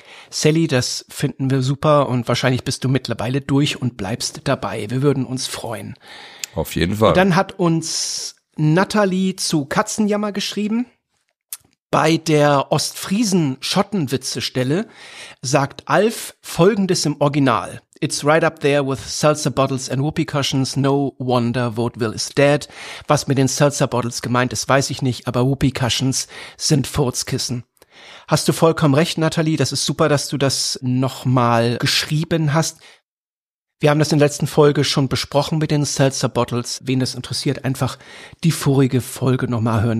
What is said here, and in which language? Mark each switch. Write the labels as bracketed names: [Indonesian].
[German] Sally, das finden wir super und wahrscheinlich bist du mittlerweile durch und bleibst dabei. Wir würden uns freuen. Auf jeden Fall. Dann hat uns Nathalie zu Katzenjammer geschrieben. Bei der Ostfriesen-Schottenwitze-Stelle sagt ALF Folgendes im Original. [English] It's right up there with seltzer bottles and whoopee cushions. No wonder Vaudeville is dead. [German] Was mit den seltzer bottles gemeint ist, weiß ich nicht, aber whoopee cushions sind Furzkissen. Hast du vollkommen recht, Nathalie. Das ist super, dass du das nochmal geschrieben hast. Wir haben das in der letzten Folge schon besprochen mit den Seltzer Bottles. Wen das interessiert, einfach die vorige Folge nochmal hören.